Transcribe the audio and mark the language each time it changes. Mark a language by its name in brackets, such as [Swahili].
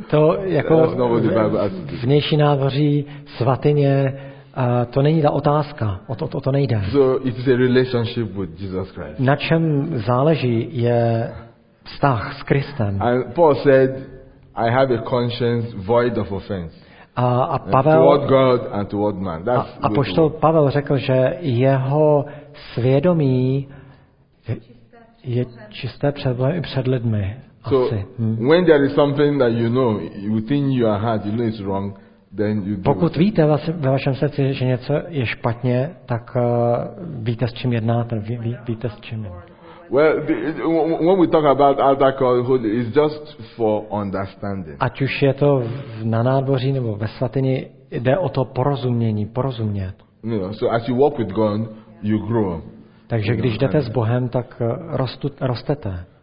[Czech] to jako vnější nádvoří svatyně, to není ta otázka, o to nejde. [English] So it is a relationship with Jesus Christ. [Czech] Na čem záleží je vztah s Kristem. [English] And Paul said, I have a conscience void of offense. [Czech] A Pavel, [English] toward God and toward man. [Czech] A apoštol Pavel řekl, že jeho svědomí je čisté před Bohem i před lidmi. [English] So [Czech] asi. [English] When there is something that you know within your heart, you know it's wrong, then you do. [Czech] Pokud víte ve vašem srdci, že něco je špatně, tak víte, s čím jednáte, víte, s čím. [English] Well, when we talk about outer court, it's just for understanding. [Czech] Ať už je to na nádvoří nebo ve svatyni, jde o to porozumění, porozumět. [English] You know, so as you walk with God, you grow. [Czech] Takže když jdete s Bohem, tak rostete.